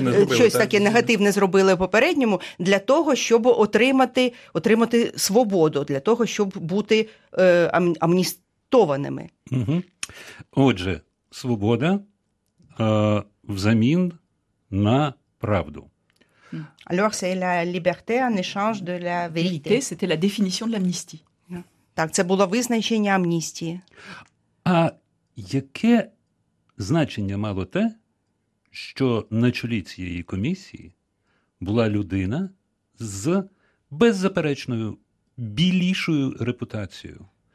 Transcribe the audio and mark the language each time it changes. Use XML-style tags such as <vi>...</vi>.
<uk>щось таке негативне зробили в попередньому, для того, щоб отримати свободу, для того, щоб бути амністованими. Угу. Отже, свобода взамін на правду.</uk> <fr>Alors, c'est la liberté en échange de la vérité. C'était la définition de l'amnistie.</fr> <uk>Так, це було визначення амністії. А яке значення мало те, що на чолі цієї комісії була людина з беззаперечною білішою репутацією?</uk>